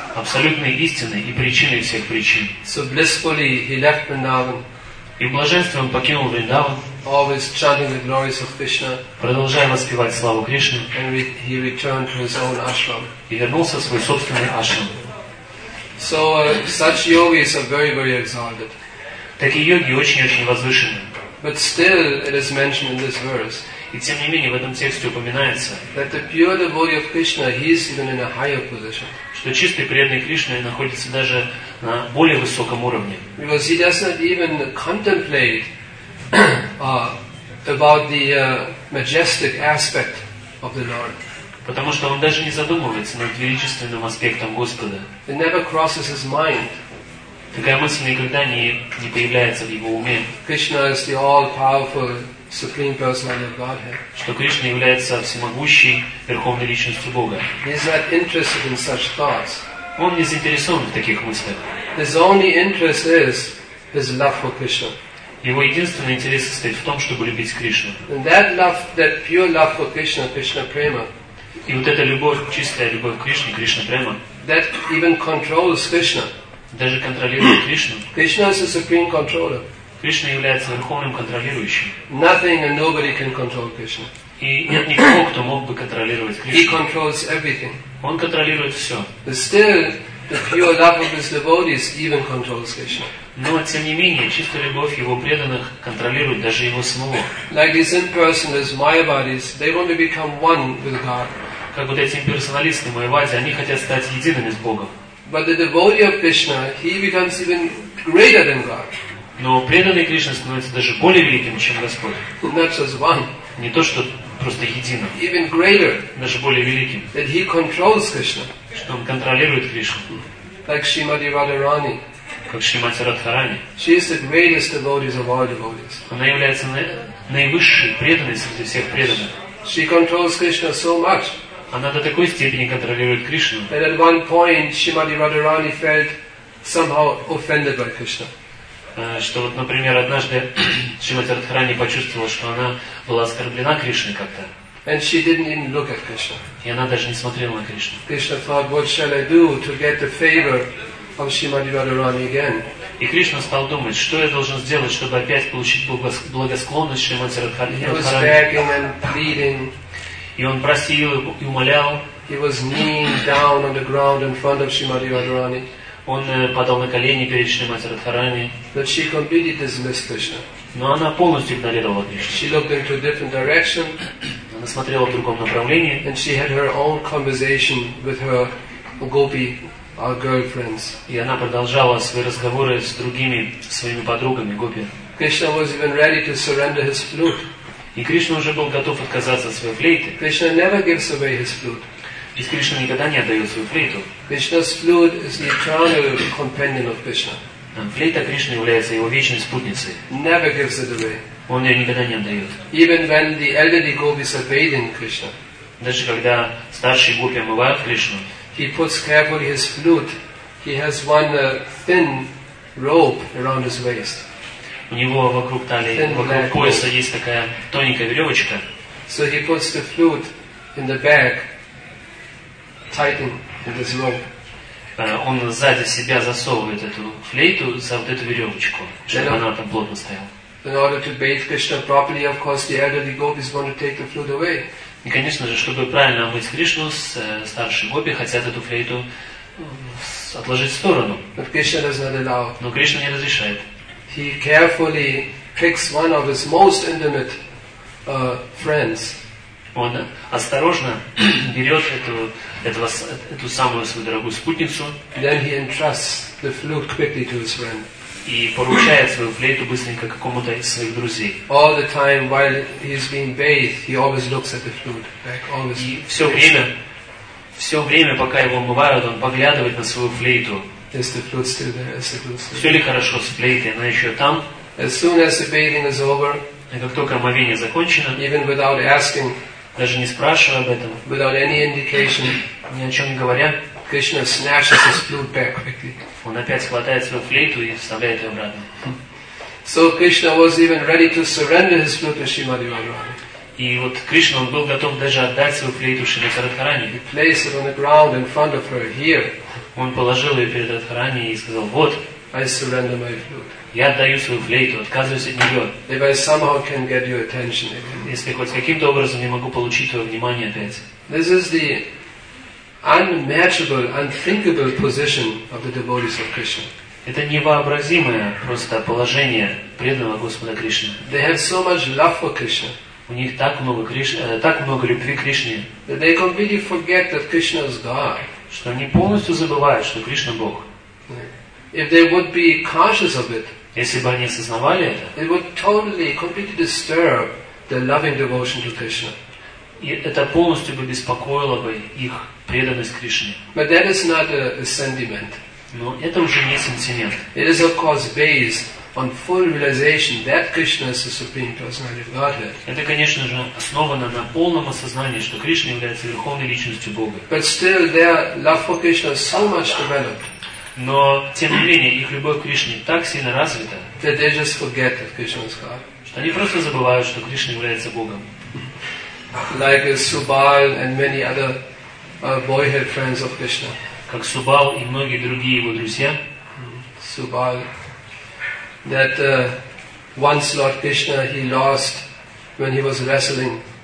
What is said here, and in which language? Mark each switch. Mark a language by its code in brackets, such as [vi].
[ru] Абсолютной истиной и причиной всех причин. [en] So blissfully he left Vrindavan. [ru] И в блаженстве он покинул Вриндаван. [en] Always chanting the glories of Krishna. [ru] Продолжая воспевать славу Кришне. [en] And he returned to his own ashram. [ru] И вернулся в свой собственный ашрам. [en] So such yogis are very, very exalted. [ru] Такие йоги очень-очень возвышены. [en] But still, it is mentioned in this verse. [ru] И тем не менее в этом тексте упоминается. [en] That the pure devotee of Krishna, he is even in a higher position. [ru] Что чистый преданный Кришна находится даже на более высоком уровне. [en] Because he does not even contemplate about the majestic aspect of the Lord. [ru] Потому что он даже не задумывается над величественным аспектом Господа. [en] It never crosses his mind. [ru] Такая мысль никогда не появляется в его уме. [en] Krishna is the all-powerful, supreme personality of Godhead. [ru] Что Кришна является всемогущей верховной личностью Бога. [en] He is not interested in such thoughts. [ru] Он не заинтересован в таких мыслях. [en] His only interest is his love for Krishna. [ru] Его единственный интерес состоит в том, чтобы любить Кришну. [en] And that love, that pure love for Krishna, Krishna prema. [ru] И вот эта любовь, чистая любовь к Кришне, Кришна према. [en] That even controls Krishna. [ru] Даже контролирует Кришну. [en] Krishna is the supreme controller. [ru] Кришна является верховным контролирующим. [en] Nothing and nobody can control Krishna. [ru] И нет никого, кто мог бы контролировать Кришну. [en] He controls everything. [ru] Он контролирует все. [en] But still, the pure love of his devotees even controls Krishna. [ru] Но тем не менее, чистая любовь его преданных контролирует даже его самого. [en] Like these impersonalist Mayavadis, they want to become one with God. [ru] Как вот эти имперсоналисты Майявади, они хотят стать едиными с Богом. [en] But the devotee of Krishna, he becomes even greater than God. [ru] Но преданный Кришна становится даже более великим, чем Господь. [en] Not just one. [ru] Не то, что просто единым. [en] Even greater. [ru] Даже более великим. [en] That he controls Krishna. [ru] Что он контролирует Кришну. [en] Like Srimati Radharani. [ru] Как Шримати Радхарани. [en] She is the greatest devotee of all devotees. [ru] Она является наивысшей преданной среди всех преданных. [en] She controls Krishna so much. [ru] Она до такой степени контролирует Кришну. [en] And at one point, Srimati Radharani felt somehow offended by Krishna. [ru] Что вот, например, однажды Шримати Радхарани почувствовала, что она была оскорблена Кришной как-то. [en] And she didn't even look at Krishna. [ru] И она даже не смотрела на Кришну. [en] Krishna thought, what shall I do to get the favor of Srimati Radharani again? [ru] И Кришна стал думать, что я должен сделать, чтобы опять получить благосклонность Шримати Радхарани. [en] He was begging and pleading. [ru] И он просил и умолял. [en] He was kneeling down on the ground in front of Srimati Radharani. [ru] Он падал на колени перед Шримати Радхарани. [en] But she completely dismissed Krishna. [ru] Но она полностью игнорировала Кришну. [en] She looked into a different direction. [ru] Она смотрела в другом направлении. [en] And she had her own conversation with her gopi girlfriends. [ru] И она продолжала свои разговоры с другими своими подругами гопи. [en] Krishna was even ready to surrender his flute. [ru] И Кришна уже был готов отказаться от своей флейты. [en] Krishna never gives away his flute. [ru] И Кришна никогда не отдает свою флейту. [en] Krishna's flute is the eternal companion of Krishna. [ru] Флейта Кришны является его вечной спутницей. [en] Never gives it away. [ru] Он ее никогда не отдает. [en] Even when the elderly gopis are bathing Krishna. [ru] Даже когда старшие гопи омывают Кришну. [en] He puts carefully his flute. He has one thin rope around his waist. [ru] У него вокруг талии, вокруг пояса есть такая тоненькая веревочка. [en] So he puts the flute in the back. Tighten it as well. [ru] Он сзади себя засовывает эту флейту за вот эту веревочку, чтобы она там плотно стояла. [en] In order to bathe Krishna properly, of course, the elderly gopis want to take the flute away. [ru] И, конечно же, чтобы правильно омыть Кришну, старшие гопи хотят эту флейту отложить в сторону. [en] But Krishna does not allow. [ru] Но Кришна не разрешает. [en] He carefully picks one of his most intimate friends. [ru] Он осторожно берет эту самую свою дорогую спутницу. [en] Then he entrusts the flute quickly to his friend. [ru] И поручает свою флейту быстренько какому-то из своих друзей. [en] All the time while he's being bathed, he always looks at the flute. Like always. [ru] И все время, пока его умывают, он поглядывает на свою флейту. [en] Is the flute still there? Is the flute still there? [ru] Все ли хорошо с флейтой? Она еще там? [en] As soon as the bathing is over. [ru] И как только омовение закончено. [en] Even without asking. [ru] Даже не спрашивая об этом. [en] Without any indication. [ru] Ни о чем не говоря. [en] Krishna snatches his flute back quickly. [ru] Он опять хватает свою флейту и вставляет ее обратно. [en] So Krishna was even ready to surrender his flute to Srimati Radharani. [ru] И вот Кришна, он был готов даже отдать свою флейту Шримати Радхарани. [en] He placed it on the ground in front of her here. [ru] Он положил ее перед Радхарани и сказал, вот, [en] I surrender my flute. [ru] Я отдаю свою флейту, отказываюсь от нее. [en] If I somehow can get your attention again. [ru] Если хоть каким-то образом я могу получить твое внимание опять. [en] This is the unmatchable, unthinkable position of the devotees of Krishna. [ru] Это невообразимое просто положение преданного Господа Кришны. [en] They have so much love for Krishna. [ru] У них так много любви к Кришне. [en] That they completely forget that Krishna is God. [ru] Что они полностью забывают, что Кришна Бог. [en] If they would be conscious of it, [ru] если бы они осознавали это, [en] it would totally, completely disturb their loving devotion to Krishna. [ru] И это полностью бы беспокоило бы их преданность Кришне. [en] But that is not a sentiment. [ru] Но это уже не сентимент. [en] It is of course based on full realization that Krishna is the Supreme Personality of Godhead. [ru] Это, конечно же, основано на полном осознании, что Кришна является верховной личностью Бога. [en] But still, their love for Krishna is so much developed. [ru] Но тем не менее их любовь к Кришне так сильно развита, [en] that they just forget that Krishna is God. [ru] Что они просто забывают, что Кришна является Богом. [en] Like Subal and many other boyhood friends of Krishna. [ru] Как Субал и многие другие его друзья. Субал. [en] That once Lord Krishna he lost when he was wrestling.